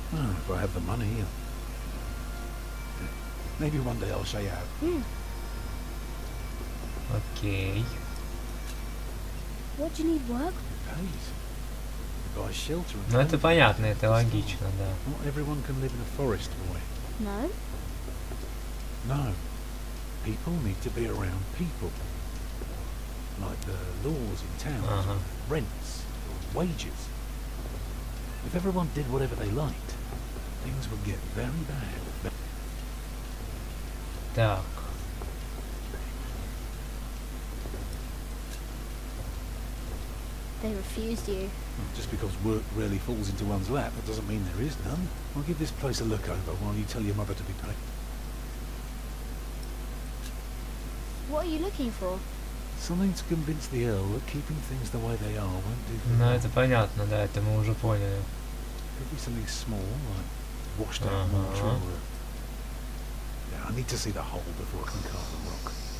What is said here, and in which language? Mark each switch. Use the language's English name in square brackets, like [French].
[English] Oh, if I have the money. Yeah. Maybe one day I'll show you how. Mm. Okay. What do you need work? Pays. You buy shelter and... [Russian] Ну, это понятно, это логично, да. [English] Not everyone can live in a forest, boy. No? No. People need to be around people. Like the laws in town, rents, or wages. If everyone did whatever they liked, things would get very bad. [Russian] Так. [English] They refused you. Just because work rarely falls into one's lap, that doesn't mean there is none. I'll give this place a look over while you tell your mother to be patient. What are you looking for? Something to convince the Earl that keeping things the way they are won't do. [Russian] Ну, это понятно, да, это мы уже поняли. [English] Could be something small, like washed out mantra. Yeah, I need to see the hole before I can carve the rock.